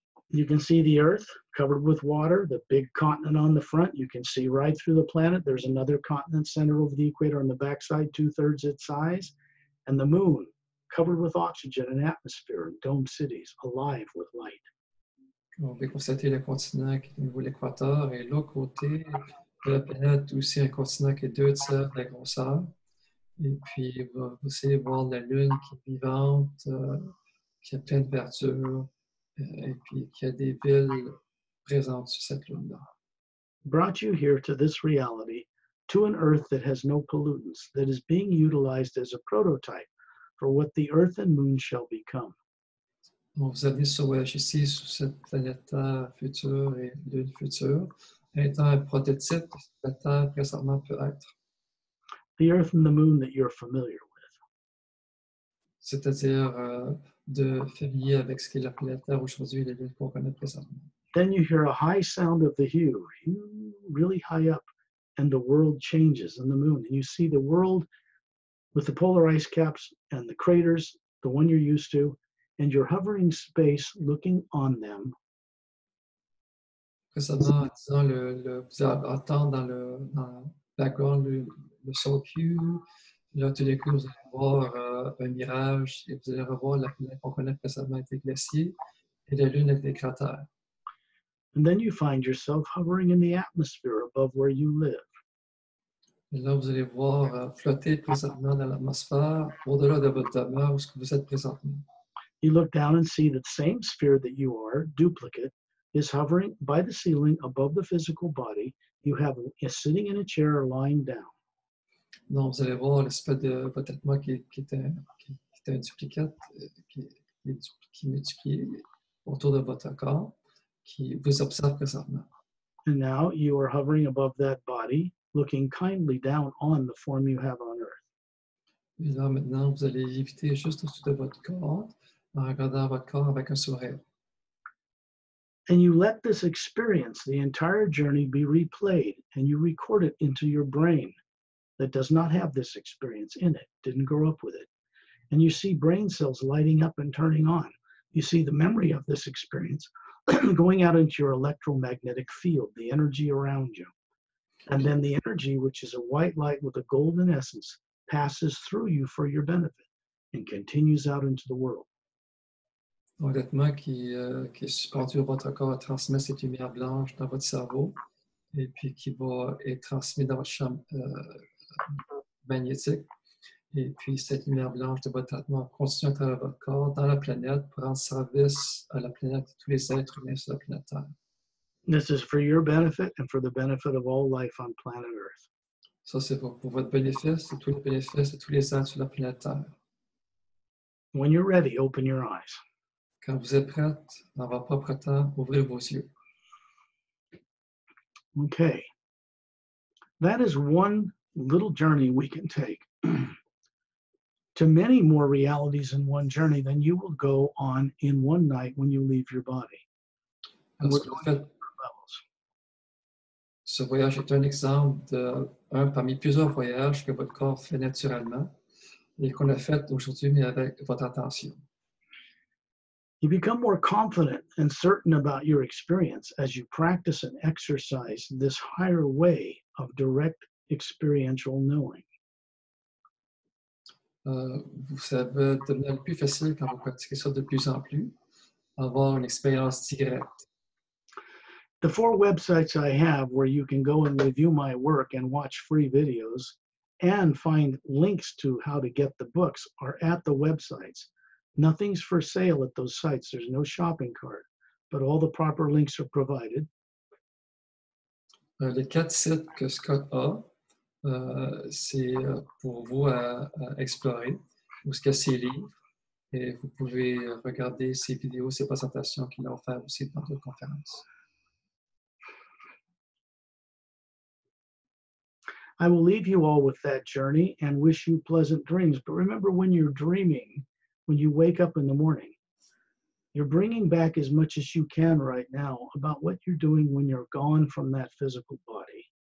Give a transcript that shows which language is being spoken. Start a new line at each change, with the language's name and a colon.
English: You can see the Earth covered with water, the big continent on the front. You can see right through the planet. There's another continent center over the equator on the backside, two-thirds its size. And the moon covered with oxygen and atmosphere and domed cities alive with light.
French: On peut constater le continent qui est au niveau de l'équateur et l'autre côté de la planète aussi un continent qui est deux tiers de la grosseur. Et puis, vous essayez de voir la lune qui est vivante, qui a plein de verdure, et puis qui a des villes présentes sur cette lune-là.
English: Brought you here to this reality, to an Earth that has no pollutants, that is being utilized as a prototype for what the Earth and Moon shall become.
French: On vous a mis ce voyage ici, sur cette planète future et lune future, étant un prototype de ce que la Terre présentement peut être.
English: The Earth and the Moon that you're familiar with.
French: C'est-à-dire de familier avec ce qu'est la planète Terre aujourd'hui et la lune qu'on connaît présentement.
English: Then you hear a high sound of the hue, really high up, and the world changes and the moon. And you see the world with the polar ice caps and the craters, the one you're used to, and you're hovering space looking on them.
French: Récemment, disons, vous attendez dans le background, le sol-cue, là, tout d'un coup, vous allez voir un mirage et vous allez revoir la planète qu'on connaît précédemment avec des glaciers et la lune avec des cratères.
English: And then you find yourself hovering in the atmosphere above where you live.
French: Et là, vous allez voir flotter présentement dans l'atmosphère au-delà de votre demeure où vous êtes présentement.
English: You look down and see that the same sphere that you are, duplicate, is hovering by the ceiling above the physical body you have is sitting in a chair or lying down.
French: Non, vous allez voir l'aspect de votre moi qui est un duplicate, qui est multiplié autour de votre corps, qui vous observe présentement.
English: And now you are hovering above that body, looking kindly down on the form you have on Earth.
French: Et là, maintenant, vous allez éviter juste au-dessus de votre corps, en regardant votre corps avec un sourire.
English: And you let this experience, the entire journey, be replayed, and you record it into your brain. that does not have this experience in it, didn't grow up with it. And you see brain cells lighting up and turning on. You see the memory of this experience going out into your electromagnetic field, the energy around you. And then the energy, which is a white light with a golden essence, passes through you for your benefit and continues out into the world.
French: Donc, l'Atma qui est suspendu dans votre corps transmet cette lumière blanche dans votre cerveau et puis qui va être transmise dans votre champ magnétique. Et puis, cette lumière blanche de votre Atma continue à travers votre corps dans la planète pour rendre service à la planète et tous les êtres humains sur la planète Terre.
English: This is for your benefit and for the benefit of all life on planet Earth.
French: Ça, c'est pour votre bénéfice et tous les bénéfices de tous les êtres sur la planète Terre.
English: When you're ready, open your eyes.
French: Quand vous êtes prête, dans votre propre temps, ouvrez vos yeux.
English: Okay. That is one little journey we can take to many more realities in one journey than you will go on in one night when you leave your body. And we're going fait, to levels.
French: Ce voyage est un exemple d'un parmi plusieurs voyages que votre corps fait naturellement et qu'on a fait aujourd'hui, mais avec votre attention.
English: You become more confident and certain about your experience as you practice and exercise this higher way of direct experiential knowing.
French: Ça va devenir plus facile quand vous pratiquez ça de plus en plus, avoir une expérience directe.
English: The four websites I have where you can go and review my work and watch free videos and find links to how to get the books are at the websites. Nothing's for sale at those sites. There's no shopping cart, but all the proper links are provided.
French: Les quatre sites que Scott a, c'est pour vous à explorer, où est-ce que ces livres, et vous pouvez regarder ces vidéos, ces présentations qu'il a offert aussi dans d'autres conférences.
English: I will leave you all with that journey and wish you pleasant dreams. But remember, when you're dreaming, when you wake up in the morning, you're bringing back as much as you can right now about what you're doing when you're gone from that physical body.